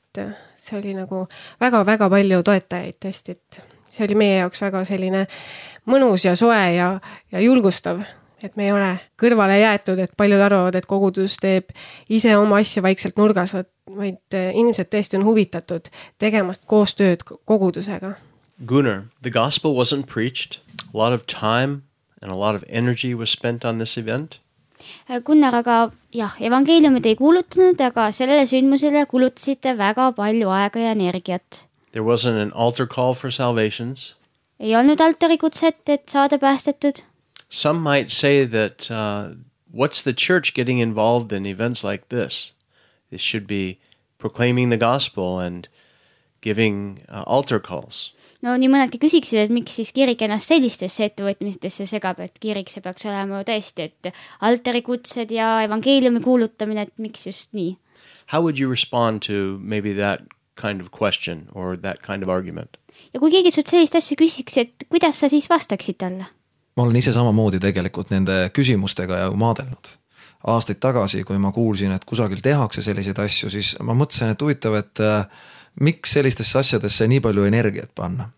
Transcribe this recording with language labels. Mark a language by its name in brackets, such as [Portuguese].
[Estonian] See oli nagu väga-väga palju toetajaid tõesti. See oli meie jaoks väga selline mõnus ja soe ja julgustav, et me ei ole kõrvale jäetud, et paljud arvavad, et kogudus teeb ise oma asja vaikselt nurgas, vaid inimesed tõesti on huvitatud tegemast koostööd kogudusega. [English] Gunnar, the gospel wasn't preached, a lot of time, and a lot of energy was spent on this event. [Estonian] Gunnar, aga jah, evangeeliumid ei kuulutanud, aga sellele sündmusele kulutasite väga palju aega ja energiat. [English] There wasn't an altar call for salvations. [Estonian] Ei olnud altari kutset, et saada päästetud. [English] Some might say that what's the church getting involved in events like this? It should be proclaiming the gospel and giving altar calls. [Estonian] No nii mõnedki küsiksid, et miks siis kirik ennast sellistesse ettevõtmistesse segab, et kirik see peaks olema tõesti, et altarikutsed ja evangeeliumi kuulutamine, et miks just nii? [English] How would you respond to maybe that kind of question or that kind of argument? [Estonian] Ja kui keegi sult sellist asja küsiks, et kuidas sa siis vastaksid talle? Ma olen ise samamoodi tegelikult nende küsimustega ja maadelnud. Aastaid tagasi, kui ma kuulsin, et kusagil tehakse sellised asju, siis ma mõtlesin, et huvitav, et miks sellistesse asjadesse nii palju energiat panna.